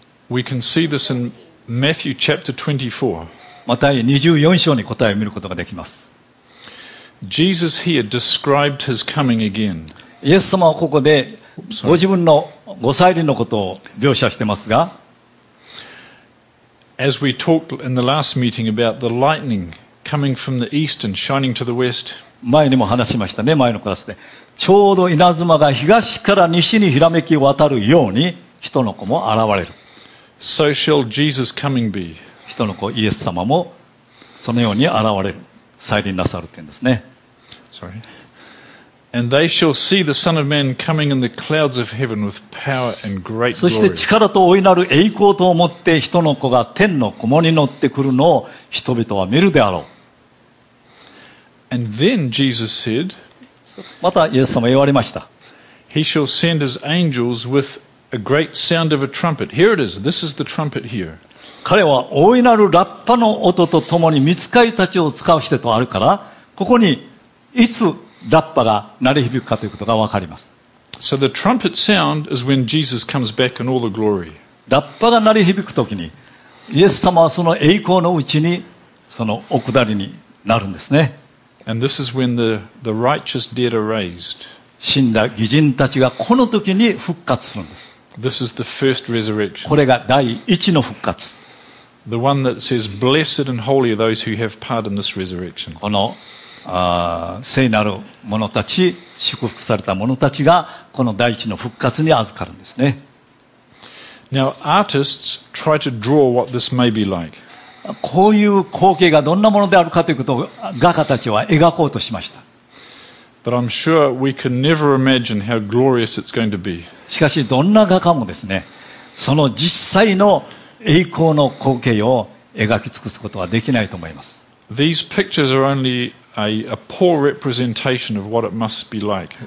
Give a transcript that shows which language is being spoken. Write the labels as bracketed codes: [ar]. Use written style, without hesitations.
[en] We can see this in Matthew chapter 24. [ja] マタイ24章に答えを見ることができます。 [en] Jesus here described his coming again. [ja] イエス様はここでご自分のご再臨のことを描写してますが、 [en] As we talked in the last meeting about the lightning coming from the east and shining to the west. [ja] 前にも話しましたね、前のクラスで。ちょうど稲妻が東から西にひらめき渡るように人の子も現れる。 [en] So shall Jesus coming be. [ja] 人の子イエス様もそのように現れる。再臨なさるって言うんですね。 [en] Sorry. And they shall see the Son of Man coming in the clouds of heaven with power and great glory. [ja] そして力と大いなる栄光と思って人の子が天の雲に乗ってくるのを人々は見るであろう。 [en] And then Jesus said, [ja] またイエス様言われました。 [en] He shall send his angels with a great sound of a trumpet. Here it is. This is the trumpet here. [ja] 彼は大いなるラッパの音とともに御使いたちを使わしてとあるから、ここにいつラッパが鳴り響くかということがわかります。 [en] So the trumpet sound is when Jesus comes back in all the glory. [ja] ラッパが鳴り響くときに、イエス様はその栄光のうちにそのお下りになるんですね。 [en] And this is when the righteous dead are raised. [ja] 死んだ義人たちがこの時に復活するんです。 [en] This is the first resurrection. [ja] これが第一の復活。 [en] The one that says, "Blessed and holy are those who have part in this resurrection." [ja] この聖なる者たち、祝福された者たちがこの第一の復活に預かるんですね。 [en] Now, artists try to draw what this may be like. [ja] こういう光景がどんなものであるかということを画家たちは描こうとしました。 [en] But I'm sure we can never imagine how glorious it's going to be. [ja] しかしどんな画家もですね、その実際の栄光の光景を描き尽くすことはできないと思います。 [en] These pictures are only a poor representation of what it must be like.